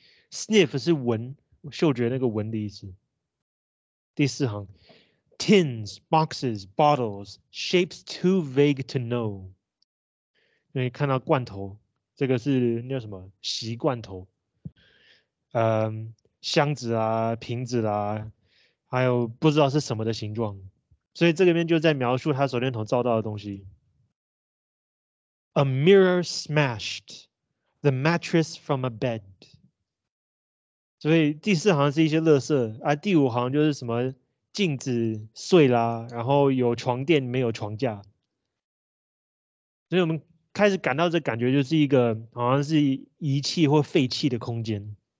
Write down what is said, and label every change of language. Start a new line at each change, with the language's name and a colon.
Chinese: Sniff 是闻，嗅觉那个闻的意思。第四行 ，
English: tins, boxes, bottles, shapes too vague to know。
Chinese: 因为看到罐头，这个是叫什么？习罐头。箱子啊，瓶子啊，还有不知道是什么的形状。所以这个边就在描述他手电筒照到的东西。
English: A mirror smashed, the mattress from a bed.
Chinese: 所以第四行是一些垃圾啊，第五行就是什么镜子碎啦，然后有床垫没有床架，所以我们开始感到这感觉就是一个好像是遗弃或废弃的空间。